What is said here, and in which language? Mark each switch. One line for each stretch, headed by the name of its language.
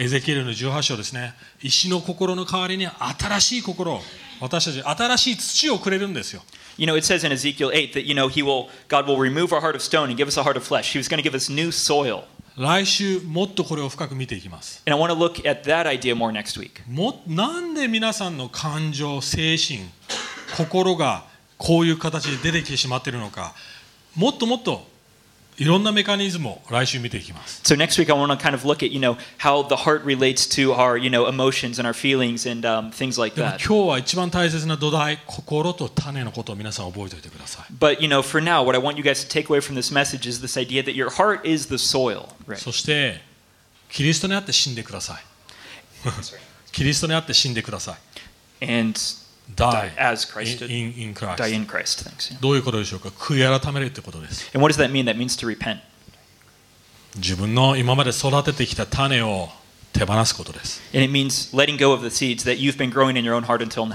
Japanese: エゼキエルの18章ですね。石の心の代わりに新しい心を私たち新しい土をくれるんですよ。
English: You know, it says in Ezekiel 8 that, you know, God will remove our heart of stone and give us a heart of flesh. He was going to give us new soil.
Japanese: 来週もっとこれを深く見ていきます。
English: And I want to look at that idea more next week.
Japanese: なんで皆さんの感情、精神、心がこういう形で出てきてしまっているのか、もっともっといろんなメカニズムを来週見ていきます。
English: So next week I want to kind of look at, you know, how the heart relates to our, you know, emotions and our feelings and things like that.
Japanese: 今日は一番大切な土台、心と種のことを皆さん覚えておいてください。
English: But you know, for now, what I want you guys to take away from this message is this idea that your heart is the soil. Right.
Japanese: そしてキリストにあって死んでください。キリストにあって死んでください。
English: And die as Christ in Christ. Die in Christ. Thanks.
Japanese: どういうことでしょうか。悔い改めるってことです。
English: And what does that mean? That means to repent.
Japanese: 自分の今まで育ててきた種を手放すことです。
English: And it means letting go of the seeds that you've been growing in your own heart until now.